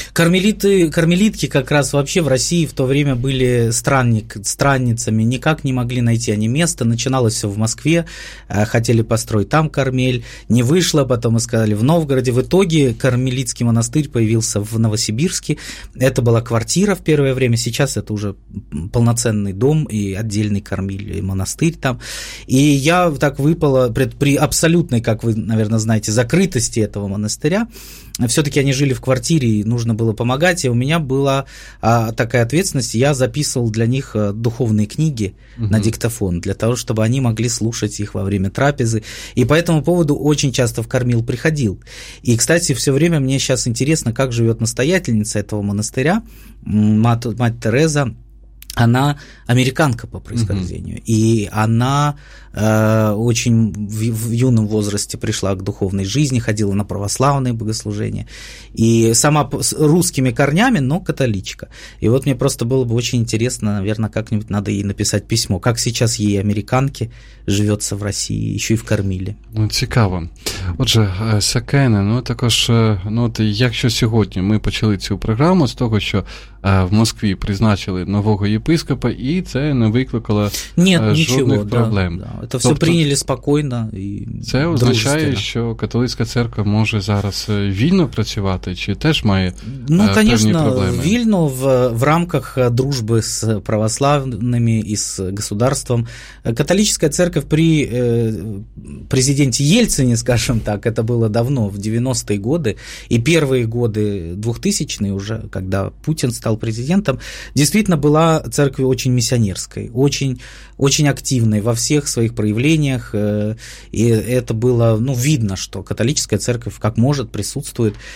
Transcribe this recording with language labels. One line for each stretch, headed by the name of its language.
Ukrainian: Кармелітки якраз взагалі в Росії в то время були странницями, ніяк не могли знайти ані місце, починалося в Москві, хотіли построїти там кармель, не вийшло, потім сказали в Новгороді. В итоге кармелітський монастир появився в Новосибірську.
Russian: Это була квартира в перше время, сейчас это уже полноценный дом и отдельный кармель, и монастырь там. И я так выпало при абсолютной, как вы, наверное, знаете, закрытости этого монастыря. Все-таки они жили в квартире, и нужно было помогать, и у меня была такая ответственность, я записывал для них духовные книги на диктофон, для того, чтобы они могли слушать их во время трапезы, и по этому поводу очень часто в кармил приходил. И, кстати, все время мне сейчас интересно, как живет настоятельница этого монастыря, мать Тереза. Она американка по происхождению, и она очень в юном возрасте пришла к духовной жизни, ходила на православные богослужения, и сама с русскими корнями, но католичка. И вот мне просто было бы очень интересно, наверное, как-нибудь надо ей написать письмо, как сейчас ей, американке, живется в России, еще и в кармиле.
Ukrainian: Ну, цікаво. Отже, Сакене, ну, також, ну, от, якщо сьогодні ми почали цю програму з того, що в Москві призначили нового єпископа, і це не викликало жодних проблем. Да, да. Це все прийняли спокійно. Це означає, що католицька церква може зараз вільно працювати, чи теж має певні проблеми? Ну, звісно, вільно в рамках дружби з православними і з государством. Католицька церква при президенті Єльцині, скажімо так, це було давно, в 90-ті роки, і перші роки 2000-ті вже, коли Путін став президентом,
Russian: действительно была церковь очень миссионерской, очень, очень активной во всех своих проявлениях, и это было, ну, видно, что католическая церковь как может присутствует.